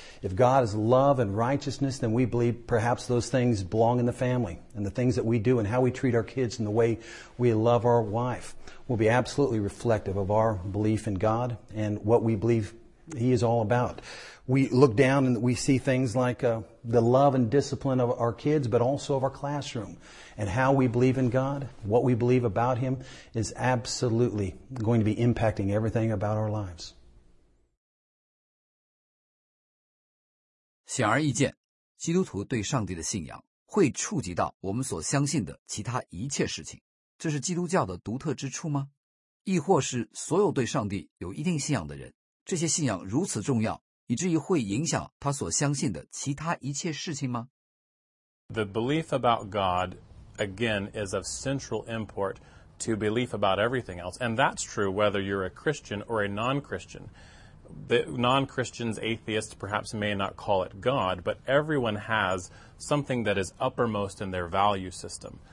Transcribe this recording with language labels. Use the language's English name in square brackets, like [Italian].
[English] If God is love and righteousness, then we believe perhaps those things belong in the family, and the things that we do and how we treat our kids and the way we love our wife will be absolutely reflective of our belief in God and what we believe He is all about. We look down and we see things like the love and discipline of our kids, but also of our classroom, and how we believe in God, what we believe about Him is absolutely going to be impacting everything about our lives. [Chinese] 显而易见，基督徒对上帝的信仰会触及到我们所相信的其他一切事情。这是基督教的独特之处吗？亦或是所有对上帝有一定信仰的人，这些信仰如此重要，以至于会影响他所相信的其他一切事情吗？ [English] The belief about God, again, is of central import to belief about everything else, and that's true whether you're a Christian or a non-Christian. The non-Christians, atheists, perhaps may not call it God, but everyone has something that is uppermost in their value system.